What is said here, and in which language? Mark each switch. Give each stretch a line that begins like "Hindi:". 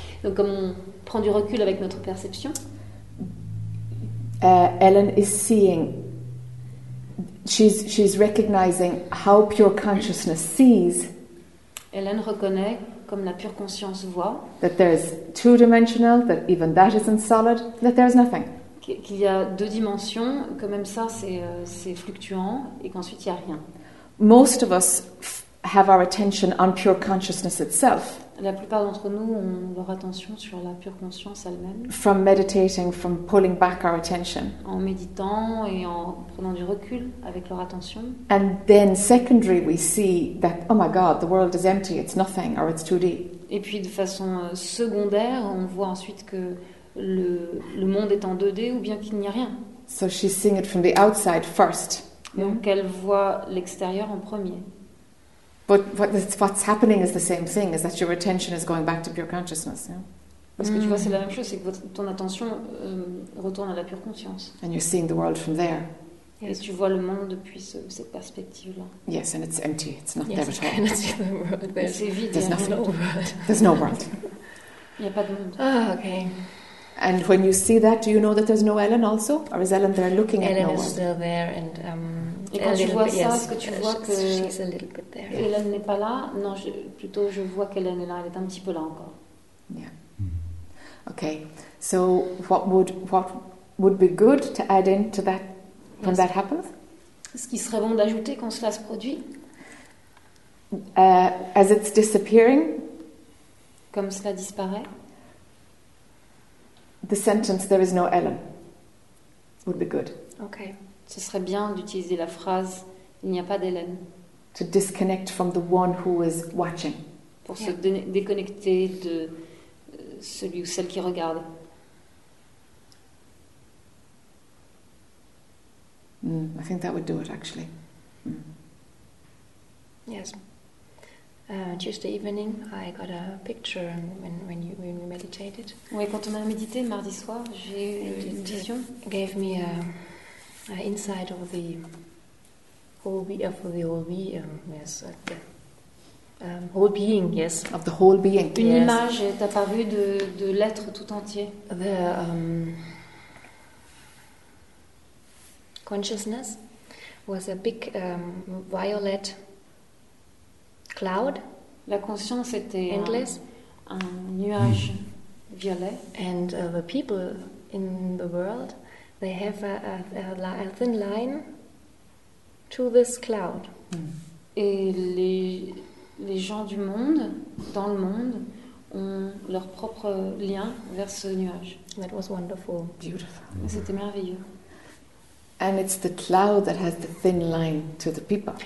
French: donc comme on prend du recul avec notre perception,
English: Ellen is seeing, she's recognizing how pure consciousness sees.
French: Ellen reconnaît comme la pure conscience voit,
English: that there's two dimensional, that even that isn't solid, that there's nothing.
French: Qu'il y a deux dimensions, que même ça c'est fluctuant et qu'ensuite il y a rien.
English: Most of us have our attention on pure consciousness itself.
French: La plupart d'entre nous ont leur attention sur la pure conscience elle-même.
English: From meditating, from pulling back our attention.
French: En méditant et en prenant du recul avec leur attention.
English: And then secondary we see that, oh my god, the world is empty, it's nothing, or it's 2D.
French: Et puis de façon secondaire, on voit ensuite que le monde est en 2D ou bien qu'il n'y a rien.
English: So she's seeing it from the outside first.
French: Donc elle voit l'extérieur en premier.
English: But what's happening is the same thing, is that your attention is going back to pure consciousness. Yeah?
French: Parce que tu vois, c'est la même chose, c'est que ton attention retourne à la pure conscience.
English: And you're seeing the world from there.
French: Et tu vois le monde depuis cette perspective-là.
English: Yes, and it's empty. It's not there at all. Yes, I cannot see the world there.
French: C'est vide.
English: There's nothing. There's no world.
French: Il n'y a pas de monde.
English: Ah, okay. And when you see that, do you know that there's no Ellen also? Or is Ellen there looking Ellen at no one? Ellen is still there and...
French: Et quand tu vois
English: bit,
French: ça,
English: yes.
French: Est-ce que tu vois que Hélène n'est pas là? Non, plutôt je vois qu'Hélène est là, elle est un petit peu là encore.
English: Yeah. Okay. So what would be good to add into that when that happens?
French: Ce qui serait bon d'ajouter quand cela se produit?
English: As it's disappearing?
French: Comme cela disparaît?
English: The sentence "there is no Ellen" would be good. Okay.
French: Ce serait bien d'utiliser la phrase « Il n'y a pas d'Hélène ».
English: To disconnect from the one who is watching.
French: Pour se déconnecter de celui ou celle qui regarde.
English: I think that would do it, actually. Yes. Tuesday evening, I got a picture when you meditated.
French: Oui, quand on a médité, mardi soir, j'ai eu une vision.
English: Gave me a... inside of the whole whole being, yes, of the whole being.
French: Une
English: yes.
French: image est apparue de l'être tout entier.
English: The consciousness was a big violet cloud.
French: La conscience était
English: endless,
French: un nuage violet.
English: And the people in the world. They have a thin line to this cloud.
French: Et les gens du monde, dans le monde, ont leur propre lien vers ce nuage.
English: That was wonderful. Beautiful.
French: Et c'était merveilleux.
English: And it's the cloud that has the thin line to the people.